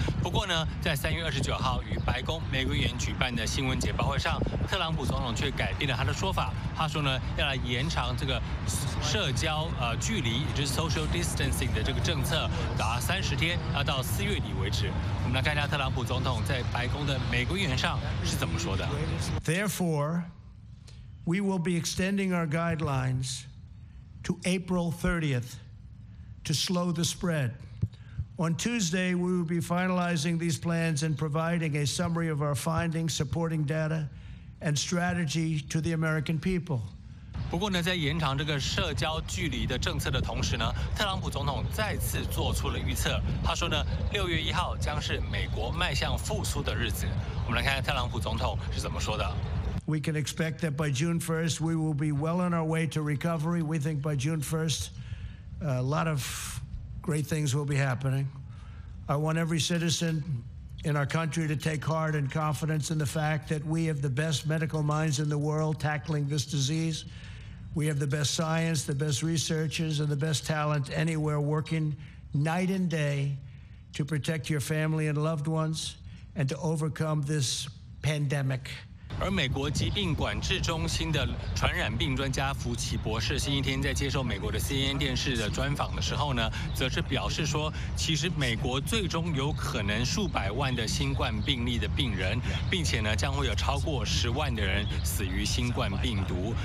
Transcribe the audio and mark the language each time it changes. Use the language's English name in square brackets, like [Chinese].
[Chinese] 不过呢，在3月29号与白宫玫瑰园举办的新闻简报会上，特朗普总统却改变了他的说法。他说呢，要来延长这个社交距离，也就是 social distancing 的这个政策，达30天，要到4月底为止。我们来看一下特朗普总统在白宫的玫瑰园上是怎么说的。 [English] Therefore, we will be extending our guidelines to April 30th to slow the spread. On Tuesday, we will be finalizing these plans and providing a summary of our findings, supporting data, and strategy to the American people. [Chinese] 不过呢，在延长这个社交距离的政策的同时呢，特朗普总统再次做出了预测。他说呢，6月1号将是美国迈向复苏的日子。我们来看看特朗普总统是怎么说的。 [English] We can expect that by June 1st we will be well on our way to recovery. We think by June 1st, a lot of great things will be happening. I want every citizen in our country to take heart and confidence in the fact that we have the best medical minds in the world tackling this disease. We have the best science, the best researchers, and the best talent anywhere working night and day to protect your family and loved ones and to overcome this pandemic. [Chinese] 而美国疾病管制中心的传染病专家福奇博士星期天在接受美国的 CNN 电视的专访的时候呢，则是表示说，其实美国最终有可能数百万的新冠病例的病人，并且呢，将会有超过10万的人死于新冠病毒。